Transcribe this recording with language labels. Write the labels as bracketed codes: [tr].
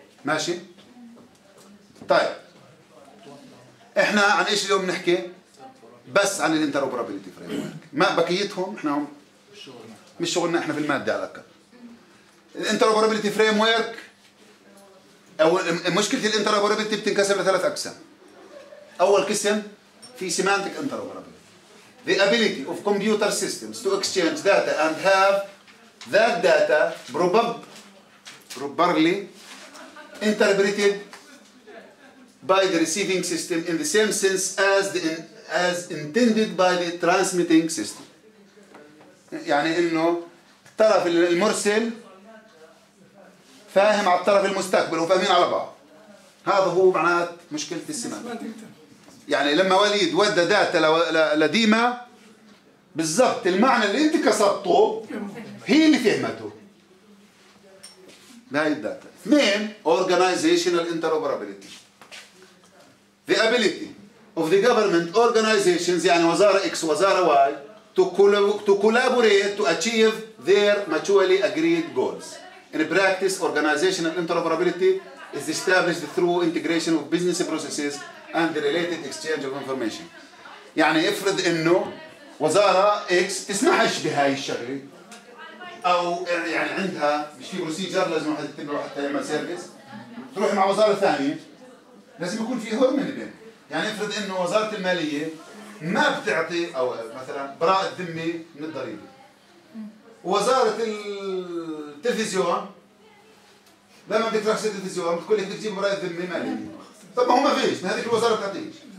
[ar] ماشي؟ طيب احنا عن ايش اليوم بنحكي؟ بس عن الانتربرابيلتي فريم ورك، ما بقيتهم احنا مش شغلنا احنا في الماده على الاقل. الانتربرابيلتي فريم ورك او مشكله الانتربرابيلتي بتنقسم لثلاث اقسام. أول قسم في semantic interoperability. [en] The ability of computer systems to exchange data and have that data properly interpreted by the receiving system in the same sense as the as intended by the transmitting system. [ar] يعني إنه الطرف المرسل فاهم على الطرف المستقبل وفاهمين على بعض. هذا هو معناته مشكلة السيمانتيك. يعني لما وليد ودى داتا لديما بالضبط المعنى اللي انت قصدته هي اللي فهمته. هاي الداتا. اثنين organizational interoperability. [en] the ability of the government organizations, [ar] يعني وزارة X وزارة Y, [en] to collaborate to achieve their mutually agreed goals. In practice, organizational interoperability is established through integration of business processes and the related exchange of information. [ar] يعني افرض انه وزارة X تسمحش بهاي الشغلة او يعني عندها مش في بروسيجر لازم واحد تتبعه حتى يعمل سيرفيس تروح مع وزارة ثانية لازم يكون في هرم اللي بين يعني افرض انه وزارة المالية ما بتعطي او مثلا براءة ذمة من الضريبة وزارة التلفزيون لما بدك تروح التلفزيون بتقول لك تجيب براءة ذمة مالية طب ما هو ما فيش هذيك الوزارة بتعطيش